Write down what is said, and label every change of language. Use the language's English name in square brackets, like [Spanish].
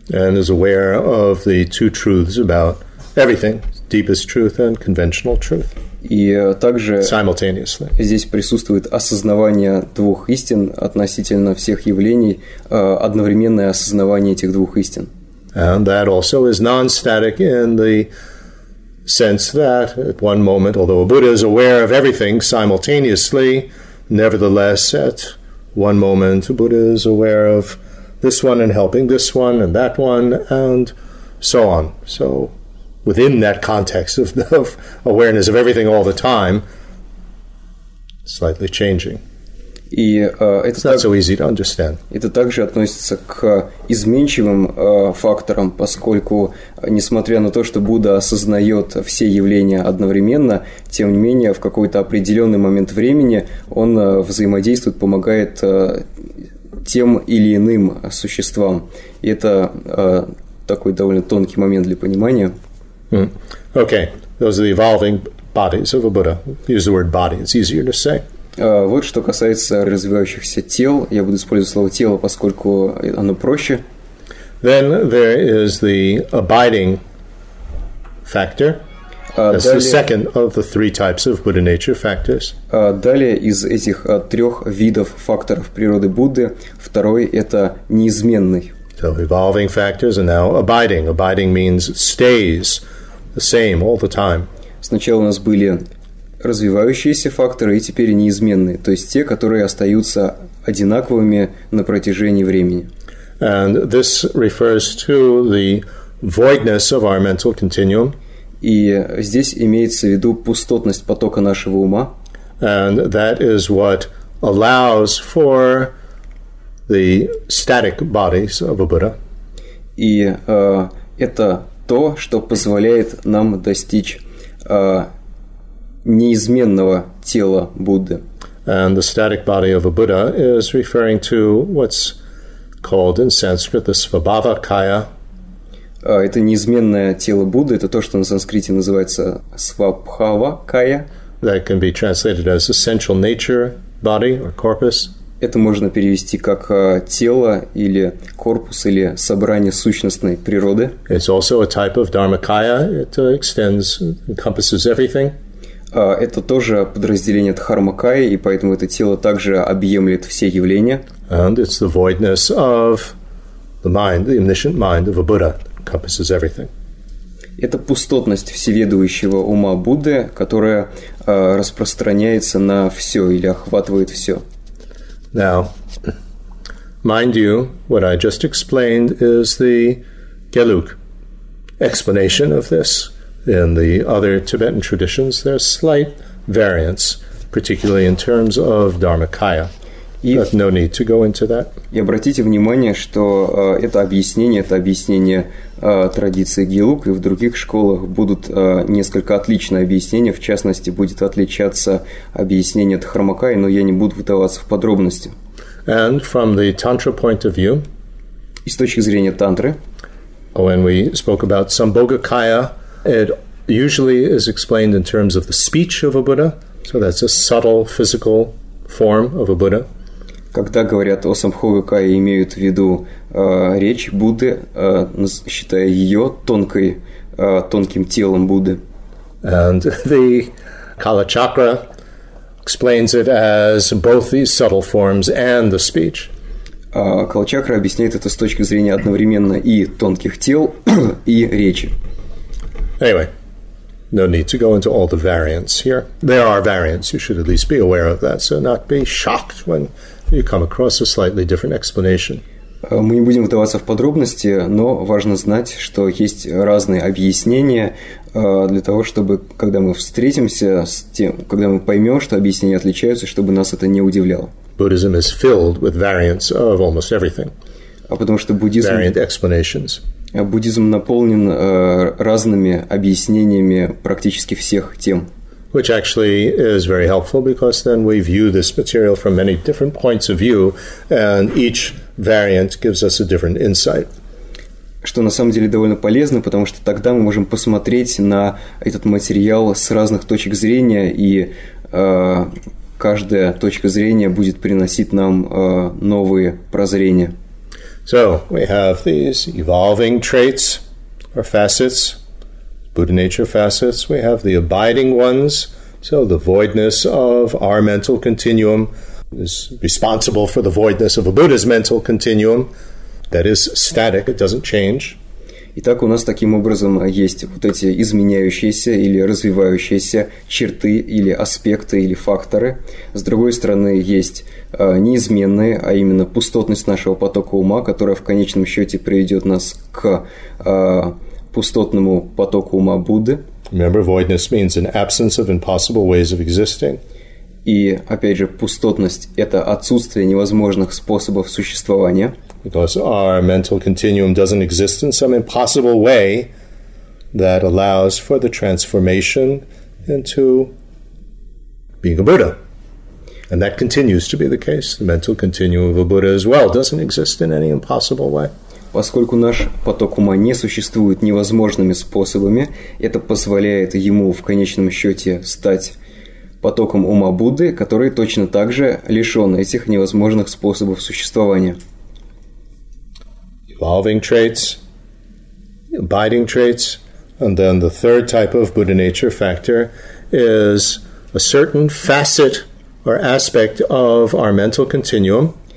[English] And is aware of the two truths about everything, deepest truth and conventional truth. [Russian] И также здесь присутствует осознавание двух истин относительно всех явлений, одновременное осознавание этих двух истин. [English] And that also is non-static in the sense that at one moment, although a Buddha is aware of everything simultaneously, nevertheless, at one moment, a Buddha is aware of this one and helping this one and that one and so on. So within that context of awareness of everything all the time, slightly changing. [Russian] И, [English] it's not so easy to understand. [Russian] Это также относится к изменчивым факторам, поскольку, несмотря на то, что Будда осознает все явления одновременно, тем не менее, в какой-то определенный момент времени он взаимодействует, помогает тем или иным существам. И это такой довольно тонкий момент для понимания. [English] Okay, those are the evolving bodies of a Buddha. Use the word body, it's easier to say. [Russian] Вот что касается развивающихся тел, я буду использовать слово тело, поскольку оно проще. [English] Then there is the abiding factor. That's the second of the three types of Buddha nature factors. [Russian] Далее из этих трех видов факторов природы Будды, второй – это неизменный. [English] So evolving factors are now abiding. Abiding means stays the same all the time. [Russian] Сначала у нас были развивающиеся факторы, и теперь неизменные, то есть те, которые остаются одинаковыми на протяжении времени. [English] And this refers to the voidness of our mental continuum. [Russian] И здесь имеется в виду пустотность потока нашего ума. [English] And that is what allows for the static bodies of a Buddha. [Russian] И это то, что позволяет нам достичь неизменного тела Будды. [English] And the static body of a Buddha is referring to what's called in Sanskrit the svabhava kaya. [Russian] Это неизменное тело Будды, это то, что на санскрите называется свабхава кая. [English] That can be translated as essential nature, body or corpus. [Russian] Это можно перевести как тело или корпус или собрание сущностной природы. [English] It's also a type of dharmakaya. It extends, encompasses everything. [Russian] Это тоже подразделение дхармакаи, и поэтому это тело также объемлет все явления. [English] And it's the voidness of the mind, the omniscient mind of a Buddha, encompasses everything. [Russian] Это пустотность всеведущего ума Будды, которая распространяется на все или охватывает все. [English] Now, mind you, what I just explained is the Geluk explanation of this. In the other Tibetan traditions, there are slight variants, particularly in terms of Dharmakaya. But no need to go into that. [Russian] И обратите внимание, что это объяснение традиции Гелук, и в других школах будут несколько отличные объяснения, в частности, будет отличаться объяснение Дхармакаи, но я не буду вдаваться в подробности. [English] And from the Tantra point of view, [Russian] и с точки зрения Тантры, [English] when we spoke about Sambhogakaya, it usually is explained in terms of the speech of a Buddha, so that's a subtle physical form of a Buddha. [Russian] Когда говорят о самбхогакае, имеют в виду речь Будды, считая ее тонкой, тонким телом Будды. [English] And the Kala Chakra explains it as both these subtle forms and the speech. [Russian] Kala Chakra объясняет это с точки зрения одновременно и тонких тел, и речи. [English] Anyway, no need to go into all the variants here. There are variants, you should at least be aware of that, so not be shocked when you come across a slightly different explanation. [Russian] Мы не будем вдаваться в подробности, но важно знать, что есть разные объяснения для того, чтобы, когда мы встретимся с тем, когда мы поймем, что объяснения отличаются, чтобы нас это не удивляло. [English] Buddhism is filled with variants of almost everything. [Russian] А потому что буддизм... [English] Variant explanations. [Russian] Буддизм наполнен разными объяснениями практически всех тем. [English] Which actually is very helpful because then we view this material from many different points of view and each variant gives us a different insight. [Russian] Что на самом деле довольно полезно, потому что тогда мы можем посмотреть на этот материал с разных точек зрения и каждая точка зрения будет приносить нам новые прозрения. [English] So, we have these evolving traits or facets, Buddha nature facets. We have the abiding ones, so the voidness of our mental continuum is responsible for the voidness of a Buddha's mental continuum. That is static, it doesn't change. [Russian] Итак, у нас таким образом есть вот эти изменяющиеся или развивающиеся черты или аспекты или факторы. С другой стороны, есть неизменные, а именно пустотность нашего потока ума, которая в конечном счете приведет нас к пустотному потоку ума Будды. [English] Remember, voidness means an absence of impossible ways of existing. [Russian] И, опять же, пустотность – это отсутствие невозможных способов существования. [English] Because our mental continuum doesn't exist in some impossible way that allows for the transformation into being a Buddha. And that continues to be the case. The mental continuum of a Buddha as well doesn't exist in any impossible way. [Russian] Поскольку наш поток ума не существует невозможными способами, это позволяет ему в конечном счете стать потоком ума Будды, который точно так же лишен этих невозможных способов существования. [English] Evolving traits, abiding traits, and then the third type of Buddha nature factor is a certain facet or aspect of our mental continuum.